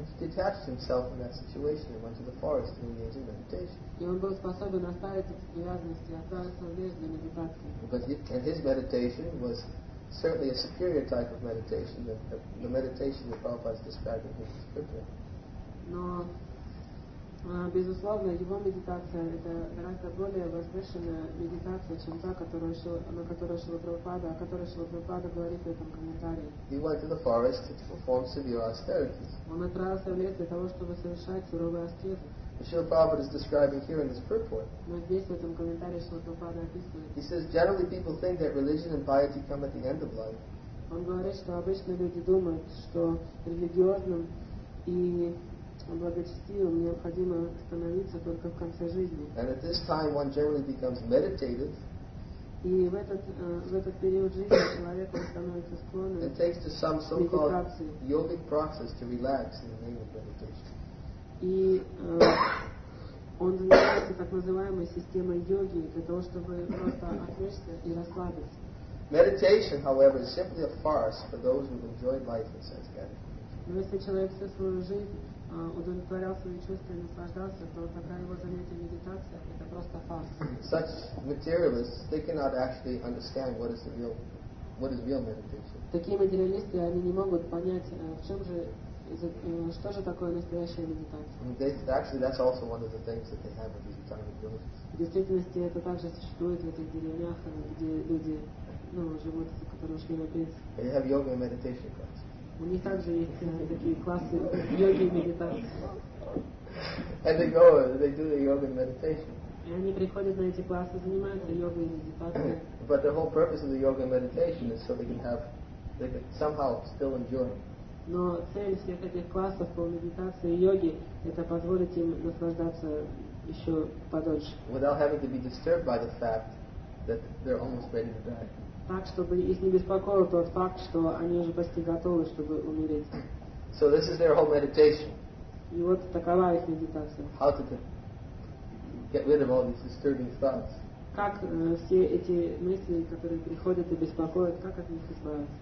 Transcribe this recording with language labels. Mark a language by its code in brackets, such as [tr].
[en] Detached himself from that situation and went to the forest to engage in meditation. [ru] И он был способен оставить эти привязанности и отправиться в лес для медитации. [en] And his meditation was certainly a superior type of meditation than the meditation that Prabhupada is describing in his scripture. [ru] Но безусловно, его медитация – это гораздо более возвышенная медитация, чем та, на которую Шрила Прабхупада, о которой Шрила Прабхупада говорит в этом комментарии. [en] He went to the forest to perform severe austerities. [ru] Он отправился в лес для того, чтобы совершать суровые аскезы. [en] Шрила Прабхупада is describing here in his purport. [ru] Но здесь, в этом комментарии, Шрила Прабхупада описывает. [en] He says, generally people think that religion and piety come at the end of life. [ru] Он говорит, что обычно люди думают, что религиозным и благочестивым необходимо становиться только в конце жизни. [en] And at this time one generally becomes meditative. [ru] И в этот период жизни человек становится склонным. [en] It takes to some so-called yogic process to relax in the name of meditation. [ru] И он занимается так называемой системой йоги для того, чтобы просто отвлечься и расслабиться. [en] Meditation, however, is simply a farce for those who've enjoyed life in sense gratification. [ru] Но если человек всю свою жизнь удовлетворял свои чувства и наслаждался, то такая его занятие медитация это просто фарс. [en] Such materialists, they cannot actually understand what is real meditation. [ru] Такие материалисты, они не могут понять, в чем же что же такое настоящая медитация. [en] Actually, that's also one of the things that they have in these tiny villages. [ru] В действительности это также существует в этих деревнях, где люди, живут, которые ушли на принцип. [en] They have yoga and meditation classes. [ru] У них также есть такие классы йоги и медитации. [en] And they go, they do the yoga and meditation. [ru] И они приходят на эти классы, занимаются йогой и медитацией. [en] But the whole purpose of the yoga and meditation is so they can somehow still enjoy. [ru] Но цель всех этих классов по медитации и йоге это позволить им наслаждаться еще подольше. [en] Without having to be disturbed by the fact that they're almost ready to die. [ru] Так, чтобы их не беспокоил тот факт, что они уже почти готовы, чтобы умереть. [en] So this is their whole meditation. [ru] И вот такова их медитация. [en] How to get rid of all these disturbing thoughts. [ru] Как все эти мысли, которые приходят и беспокоят, как от них избавиться?